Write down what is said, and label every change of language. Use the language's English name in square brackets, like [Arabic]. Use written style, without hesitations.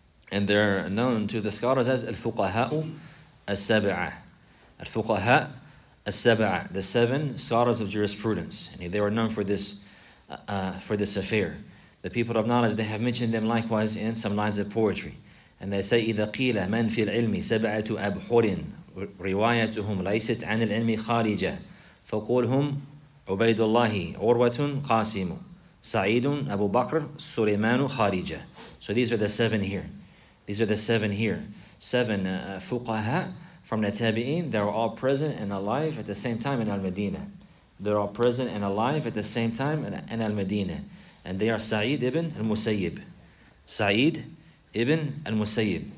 [English] And they're known to the scholars as Al-Fuqaha'u Al-Saba'ah. Al-Fuqaha'u Al-Saba'ah, the seven scholars of jurisprudence. And they were known for this affair. The people of knowledge, they have mentioned them likewise in some lines of poetry. [Arabic] And they say, إِذَا قِيلَ مَنْ فِي الْعِلْمِ سَبْعَةُ أَبْحُرٍ رِوَايَتُهُمْ لَيْسَتْ عَنِ الْعِلْمِ خَارِجَةً فَقُولْهُمْ عُبَيْدُ اللَّهِ عُرْوَةٌ قَاسِمُ سَعِيدٌ أَبُو بَكْرٍ سُلَيْمَانُ خَارِجَةً. [English] So these are the seven here. These are the seven here. Seven fuqaha from the tabi'een. They are all present and alive at the same time in Al-Madinah. They're all present and alive at the same time in Al-Madinah. And they are Sa'id ibn al-Musayyib. Sa'id ibn al-Musayyib.